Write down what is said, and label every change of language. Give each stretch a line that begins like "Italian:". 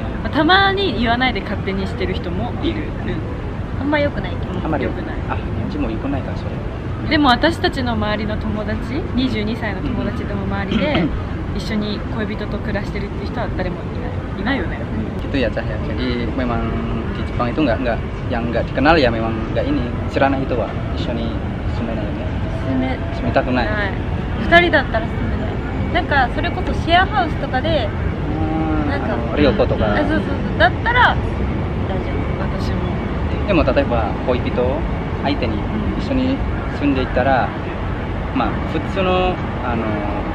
Japanese: まあ、たまに言わないで勝手にしてる人もいる。うん、あんま良くない。あんまり良くない。あ、うちも良くないかそれ。でも私たちの周りの友達、22歳の友達でも周りで。一緒に恋人と暮らしてるって人は誰もいないよね。
Indonesian: gitu ya cah ya. jadi memang di Jepang itu nggak yang nggak dikenal ya memang nggak ini.
Japanese: 知らない人は一緒に住めないよね。住めたくない。二人だったら住めない。なんかそれこそシェアハウスとかで、なんかあの旅行とか。そうそうそう。だったら大丈夫。私も。でも例えば恋人相手に一緒に住んでいたら、まあ普通のあの。